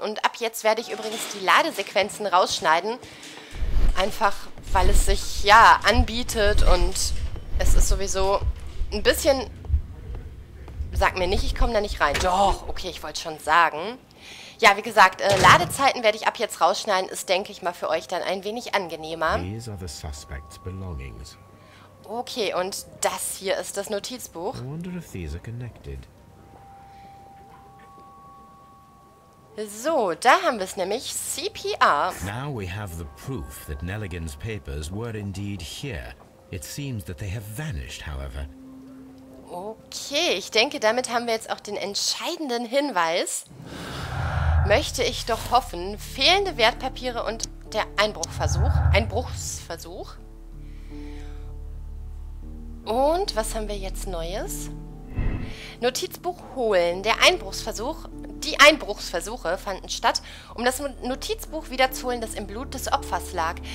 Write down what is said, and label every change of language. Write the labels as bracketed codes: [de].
[de] Und ab jetzt werde ich übrigens die Ladesequenzen rausschneiden. Einfach, weil es sich, ja, anbietet. Und es ist sowieso ein bisschen... Sag mir nicht, ich komme da nicht rein. Doch, okay, ich wollte schon sagen... Ja, wie gesagt, Ladezeiten werde ich ab jetzt rausschneiden. Ist, denke ich mal, für euch dann ein wenig angenehmer. [en] These are the suspect's belongings. [de] Okay, und das hier ist das Notizbuch. [en] I wonder if these are connected. [de] So, da haben wir es nämlich. [en] CPR. Now we have the proof that Neeligan's papers were indeed here. It seems that they have vanished, however. [de] Okay, ich denke, damit haben wir jetzt auch den entscheidenden Hinweis. Möchte ich doch hoffen, fehlende Wertpapiere und der Einbruchversuch, Einbruchsversuch. Und was haben wir jetzt Neues? Notizbuch holen, der Einbruchsversuch, die Einbruchsversuche fanden statt, um das Notizbuch wiederzuholen, das im Blut des Opfers lag.